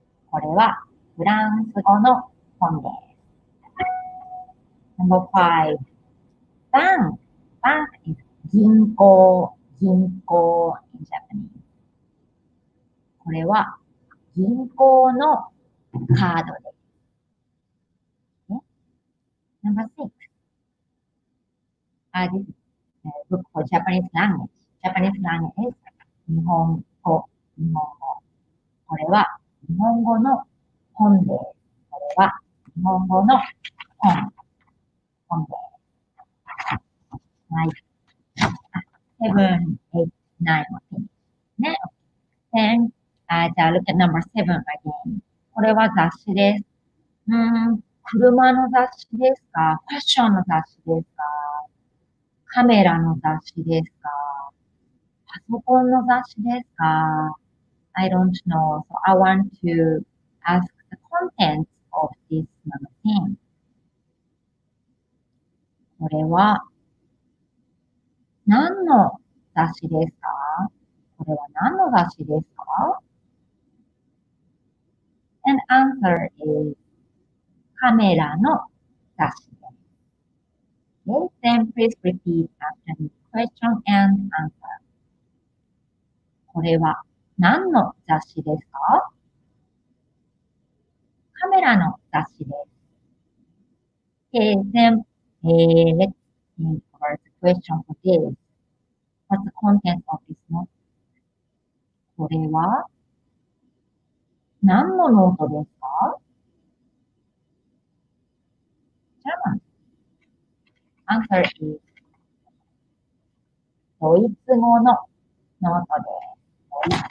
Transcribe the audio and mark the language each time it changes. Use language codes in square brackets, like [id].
[ja] これはフランス語の本です。 [en] Number five, bank. Bank is 銀行、銀行 in Japanese. [ja] これは銀行のカードです。 [en] Okay? Number six, this is a book for Japanese language. Japanese language is 日本語、日本語。 [ja] これは日本語の本です。これは日本語の本。 [en] Seven, eight, nine. Then, look at number seven again. [ja] これは雑誌です。車の雑誌ですか？ファッションの雑誌ですか？カメラの雑誌ですか？パソコンの雑誌ですか？ [en] I don't know. So I want to ask the contents of this magazine. [ja] これは何の雑誌ですか？これは何の雑誌ですか？ [en] And answer is [ja] カメラの雑誌です。 [en] Okay, then please repeat after the question and answer. [ja] これは何の雑誌ですか？カメラの雑誌です。 [en] Okay, then let's think about the question for this. What's the content of this note? [ja] これは何のノートですか？ [en] German. Answer is [ja] ドイツ語のノートです。